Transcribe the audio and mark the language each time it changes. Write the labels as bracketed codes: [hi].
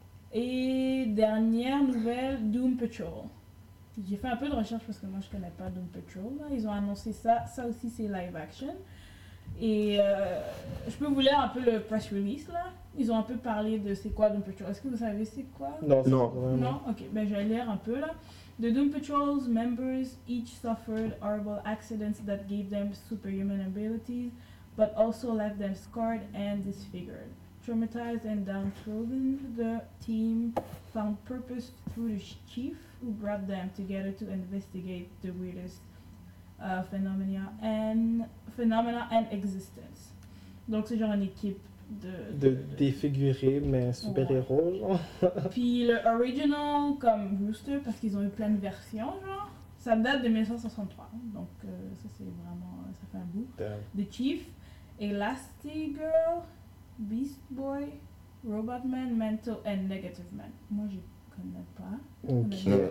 [fr] Et dernière nouvelle, Doom Patrol. J'ai fait un peu de recherche parce que moi je connais pas Doom Patrol. Ils ont annoncé ça, ça aussi c'est live action. Et je peux vous lire un peu le press release là. Ils ont un peu parlé de c'est quoi Doom Patrol. Est-ce que vous savez c'est quoi? Non. Ok, ben je vais lire un peu là. [en] The Doom Patrol's members each suffered horrible accidents that gave them superhuman abilities. But also left them scarred and disfigured. Traumatized and downtrodden, the team found purpose through the chief who brought them together to investigate the weirdest phenomena and existence. [fr] Donc c'est genre une équipe de défigurés, mais super-héros, genre. Puis le original, comme Rooster, parce qu'ils ont eu plein de versions, genre. Ça date de 1963, donc ça c'est vraiment, ça fait un bout. Damn. The chief. Elastigirl, Beast Boy, Robot Man, Mental, and Negative Man. Moi, je connais pas. Ok.